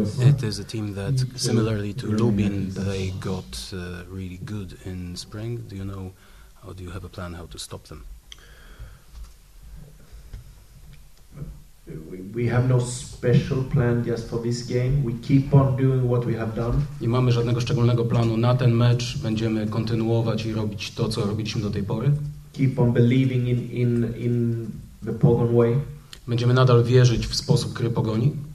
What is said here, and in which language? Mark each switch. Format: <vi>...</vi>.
<en>It is a team that, similarly to Lubin, they got really good in spring. Do you know, or do you have a plan how to stop them? We have no special plan just for this game. We keep on doing what we have done.</en> <pl>Nie mamy żadnego szczególnego planu na ten mecz. Będziemy kontynuować i robić to, co robiliśmy do tej pory.</pl> <en>Keep on believing in the Pogoń way.</en> <pl>Będziemy nadal wierzyć w sposób gry Pogoni.</pl>